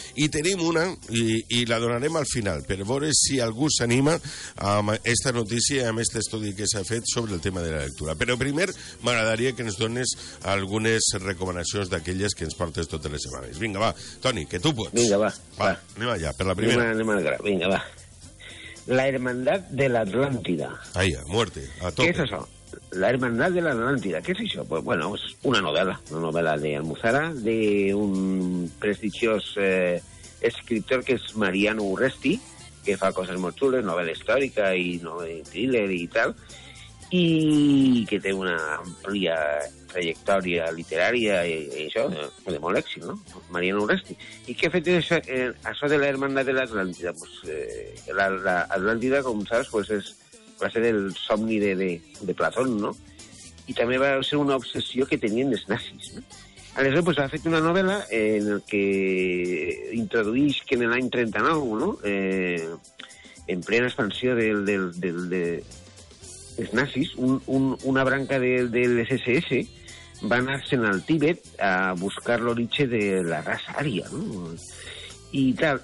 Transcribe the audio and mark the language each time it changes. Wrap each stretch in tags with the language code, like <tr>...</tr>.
<ca>I tenim una, i la donarem al final, per veure si algú s'anima amb aquesta notícia i amb aquest estudi que s'ha fet sobre el tema de la lectura. Però primer, m'agradaria que ens dones algunes recomanacions d'aquelles que ens portes totes les setmanes. Vinga, va, Toni, que tu pots. Vinga, va. Va, va. Anem allà, per la primera. Anem al gra. Vinga, va.</ca> <es>La Hermandad de la Atlántida. Ahí, a muerte, a tope. ¿Qué es eso? La Hermandad de la Atlántida, ¿qué es eso? Pues bueno, es una novela de Almuzara, de un prestigioso escritor que es Mariano Urresti, que fa cosas muy chulas, novela histórica y novela thriller y tal, y que tiene una amplia trayectoria literaria y eso,</es> <ca>de molt èxit,</ca> <es>¿no? Mariano Urresti. ¿Y qué efecto es eso de la Hermandad de la Atlántida? Pues la Atlántida, como sabes, pues es,</es> <ca>va ser el somni</ca> <es>de Platón, ¿no?</es> <ca>I també va ser una obsessió que tenien els nazis, ¿no? Aleshores, pues, ha fet una novel·la en el que introduïs que en l'any 39, ¿no? En plena expansió dels nazis, una branca del SSS van anar-se'n al Tíbet a buscar l'origen de la raça ària, ¿no? I tal.</ca>